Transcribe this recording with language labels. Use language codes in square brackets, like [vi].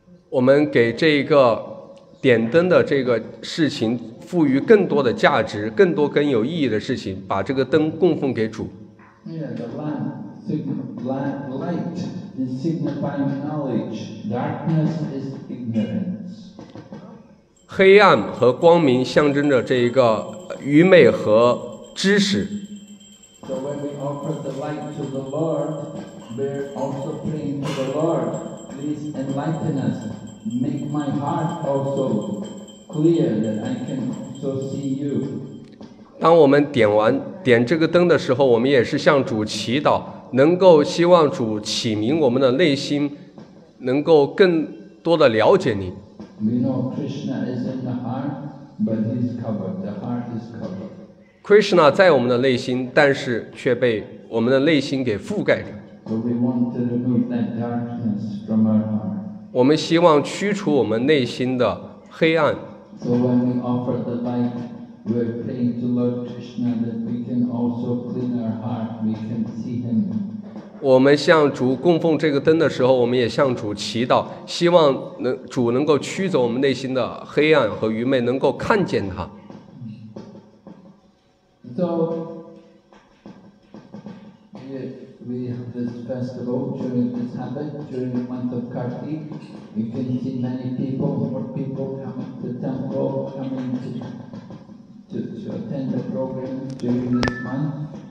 [zh] 我们给这个点灯的这个事情赋予更多的价值，更多更有意义的事情，把这个灯供奉给主。 [en] Yeah, the light is signifying knowledge. Darkness is ignorance. [zh] 黑暗和光明象征着这一个愚昧和知识。 [en] So when we offer the light to the Lord, we're also praying to the Lord, please enlighten us. Make my heart also clear that I can also see you. [zh] 当我们点完点这个灯的时候，我们也是向主祈祷，能够希望主启明我们的内心，能够更多的了解你。 [en] We know Krishna is in the heart, but he's covered. The heart is covered. [zh] Krishna 在我们的内心，但是却被我们的内心给覆盖着。 [en] So we want to remove that darkness from our heart. [zh] 我们希望驱除我们内心的黑暗。 [en] So when we offer the light, we are praying to Lord Krishna that we can also clean our heart, we can see him. [zh] 我们向主供奉这个灯的时候，我们也向主祈祷，希望能主能够驱走我们内心的黑暗和愚昧，能够看见他。 [en] So, we have this festival during this habit, during the month of Karti. You can see many people, more people coming to the temple, coming to attend the program during this month.